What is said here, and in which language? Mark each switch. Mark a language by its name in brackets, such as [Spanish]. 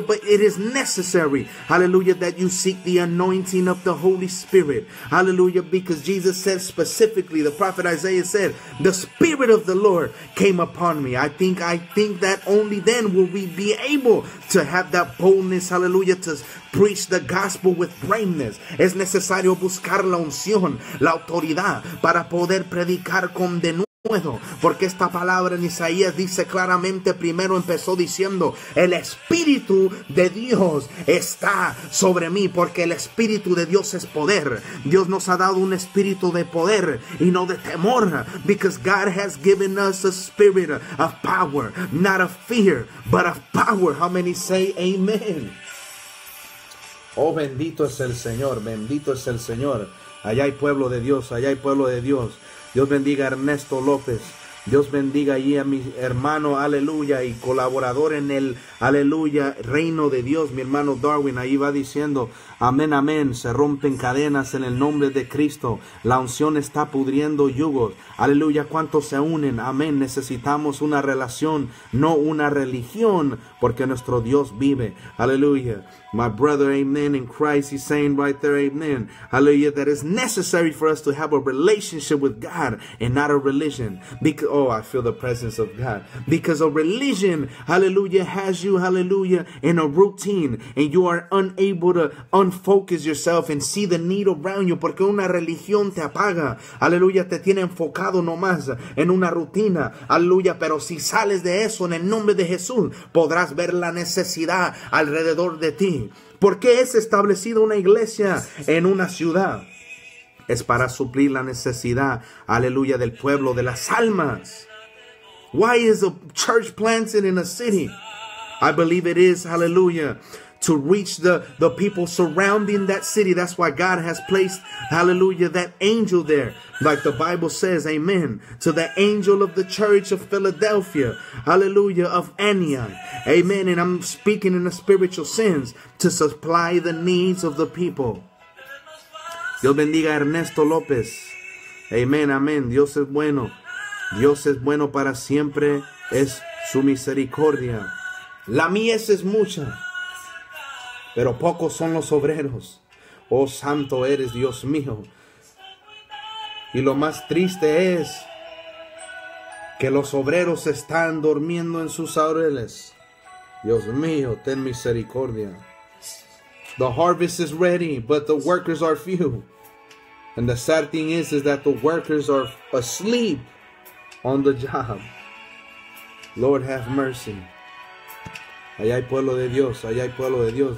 [English] But it is necessary, hallelujah, that you seek the anointing of the Holy Spirit, hallelujah, because Jesus said specifically, the prophet Isaiah said, the Spirit of the Lord came upon me. I think that only then will we be able to have that boldness, hallelujah, to preach the gospel with brainness. [Spanish] Es necesario buscar la unción, la autoridad, para poder predicar con denuedo. Porque esta palabra en Isaías dice claramente, primero empezó diciendo, el Espíritu de Dios está sobre mí, porque el Espíritu de Dios es poder. Dios nos ha dado un espíritu de poder y no de temor. [English] Because God has given us a spirit of power, not of fear, but of power. How many say amen? [Spanish] Oh, bendito es el Señor, bendito es el Señor. Allá hay pueblo de Dios, allá hay pueblo de Dios. Dios bendiga a Ernesto López. Dios bendiga allí a mi hermano, aleluya, y colaborador en el, aleluya, reino de Dios, mi hermano Darwin. Ahí va diciendo, amén, amén, se rompen cadenas en el nombre de Cristo. La unción está pudriendo yugos, aleluya. ¿Cuántos se unen? Amén. Necesitamos una relación, no una religión, porque nuestro Dios vive, aleluya. [English] My brother, amen, in Christ, he's saying right there, amen, hallelujah, that it's necessary for us to have a relationship with God and not a religion, because, oh, I feel the presence of God. Because a religion, hallelujah, has you, hallelujah, in a routine. And you are unable to unfocus yourself and see the need around you. [Spanish] Porque una religión te apaga. Hallelujah, te tiene enfocado nomás en una rutina. Hallelujah, pero si sales de eso en el nombre de Jesús, podrás ver la necesidad alrededor de ti. ¿Por qué es establecida una iglesia en una ciudad? Es para suplir la necesidad, aleluya, del pueblo, de las almas. [English] Why is a church planted in a city? I believe it is, hallelujah, to reach the people surrounding that city. That's why God has placed, hallelujah, that angel there. Like the Bible says, amen, to the angel of the church of Philadelphia, hallelujah, of Antioch, amen. And I'm speaking in a spiritual sense to supply the needs of the people. [Spanish] Dios bendiga a Ernesto López. Amén, amén. Dios es bueno. Dios es bueno para siempre. Es su misericordia. La mies es mucha, pero pocos son los obreros. Oh, santo eres, Dios mío. Y lo más triste es que los obreros están durmiendo en sus laureles. Dios mío, ten misericordia. [English] The harvest is ready, but the workers are few. And the sad thing is that the workers are asleep on the job. Lord, have mercy. [Spanish] Allá hay pueblo de Dios. Allá hay pueblo de Dios.